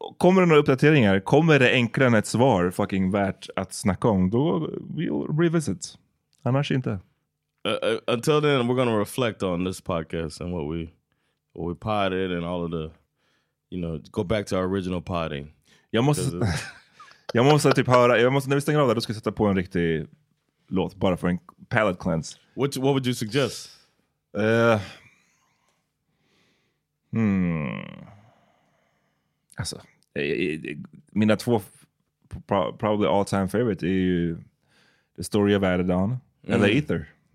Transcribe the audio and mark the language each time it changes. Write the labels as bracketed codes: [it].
[sv] Kommer det några uppdateringar? Kommer det enklare än ett svar fucking värt att snacka om? Då [en] we'll revisit. [sv] Annars inte. [en] Until then, we're going to reflect on this podcast and what we potted and all of the, you know, go back to our original potting. [sv] Jag måste. Jag måste typ höra, när vi stänger av där, då ska jag sätta på en riktig låt, bara för en [en] palate cleanse. What would you suggest? [sv] Alltså, mina två [en] probably all time favorite [sv] är ju The Story of Adidon eller Ether.